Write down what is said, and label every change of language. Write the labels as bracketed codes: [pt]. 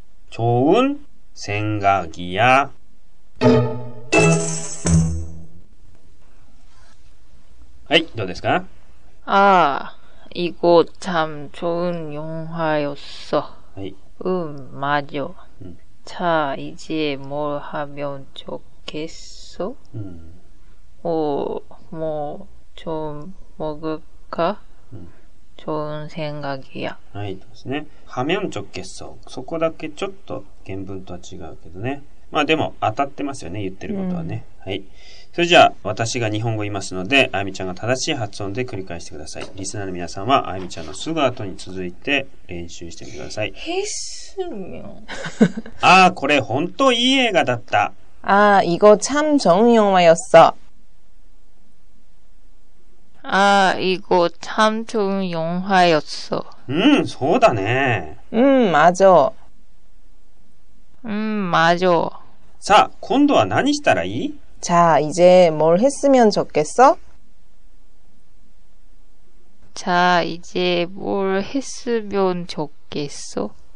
[ko] 좋은생각이야 [ja] はいどうですか [ko] 아이거참좋은영화였어、 [ja] はい、 [ko] 맞아、자이제뭘하면좋겠어뭐좀먹을까좋은생각이야 [ja] はいですね [ko] 하면좋겠어 [ja] そこだけちょっと原文とは違うけどねまあでも当たってますよね言ってることはね、はい、それじゃあ私が日本語言いますのであゆみちゃんが正しい発音で繰り返してくださいリスナーの皆さんはあゆみちゃんのすぐ後に続いて練習してみてくださいへすみょんあーこれ本当いい映画だった [ko] あー이거참좋은영화였어 아이거참좋은영화였어 [ja] うんそうだね [ko] うん맞아 맞아 [ja] さあ今度は何したらいい [ko] 자이제뭘했으면좋겠어 자이제뭘했으면좋겠어